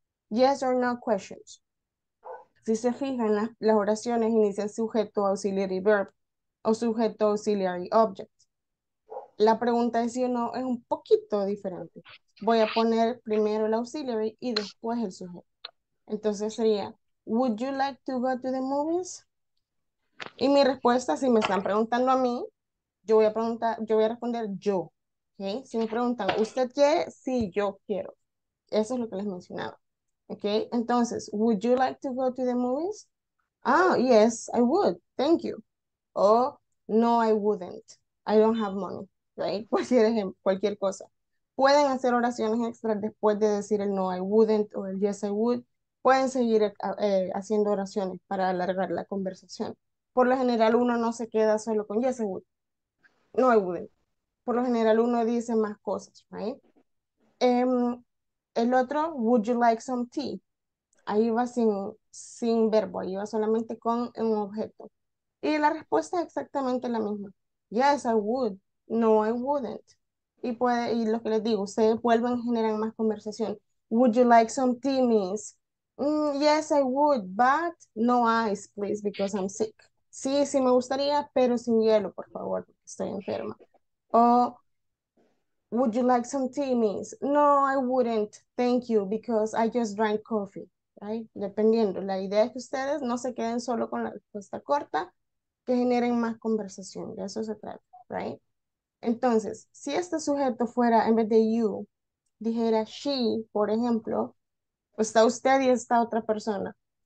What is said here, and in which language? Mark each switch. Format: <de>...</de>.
<en>Yes or no questions.</en> <es>Si se fijan, las oraciones inician sujeto, auxiliary verb, o sujeto, auxiliary object. La pregunta de sí o no es un poquito diferente. Voy a poner primero el auxiliary y después el sujeto. Entonces sería,</es> <en>would you like to go to the movies?</en> <es>Y mi respuesta, si me están preguntando a mí, yo voy a responder yo. Okay? Si me preguntan, ¿usted quiere? Sí, yo quiero. Eso es lo que les mencionaba. Okay?</es> <en>Entonces, would you like to go to the movies? Ah, oh, yes, I would. Thank you. O, no, I wouldn't. I don't have money. Right?</en> <es>Cualquier ejemplo, cualquier cosa. Pueden hacer oraciones extras después de decir el</es> <en>no, I wouldn't,</en> <es>o el</es> <en>yes, I would.</en> <es>Pueden seguir haciendo oraciones para alargar la conversación. Por lo general, uno no se queda solo con</es> <en>yes, I would. No, I wouldn't.</en> <es>Por lo general, uno dice más cosas, right? El otro,</es> <en>would you like some tea?</en> <es>Ahí va sin verbo, ahí va solamente con un objeto. Y la respuesta es exactamente la misma.</es> <en>Yes, I would. No, I wouldn't.</en> <es>Y lo que les digo, ustedes vuelven y generan más conversación.</es> <en>Would you like some tea, miss? Yes, I would, but no ice, please, because I'm sick.</en> <es>Sí, sí me gustaría, pero sin hielo, por favor, porque estoy enferma.</es> <en>O, would you like some tea, miss? No, I wouldn't, thank you, because I just drank coffee, right?</en> <es>Dependiendo, la idea es que ustedes no se queden solo con la respuesta corta, que generen más conversación, de eso se trata, right? Entonces, si este sujeto fuera, en vez de you, dijera she, por ejemplo, está usted y está otra persona.</es>